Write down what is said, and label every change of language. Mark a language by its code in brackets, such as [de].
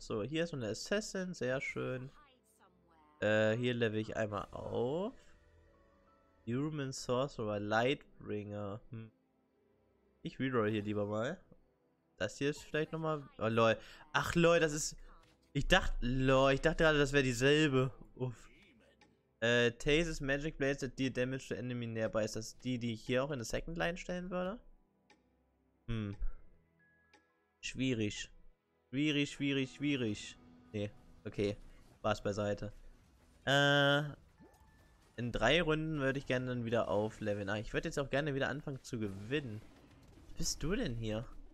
[de] So, hier ist noch eine Assassin, sehr schön. Hier level ich einmal auf. Human Sorcerer, Lightbringer. Ich reroll hier lieber mal. Das hier ist vielleicht nochmal. Oh lol. Ach lol, das ist. Ich dachte. Lol, ich dachte gerade, das wäre dieselbe. Uff. [en] Taze's Magic Blades that deal damage to enemy nearby. [de] Ist das die, die ich hier auch in der Second Line stellen würde? Schwierig. Schwierig, schwierig, schwierig. Nee. Okay. Spaß beiseite. In drei Runden würde ich gerne dann wieder aufleveln. Ah, ich würde jetzt auch gerne wieder anfangen zu gewinnen. Bist du denn hier?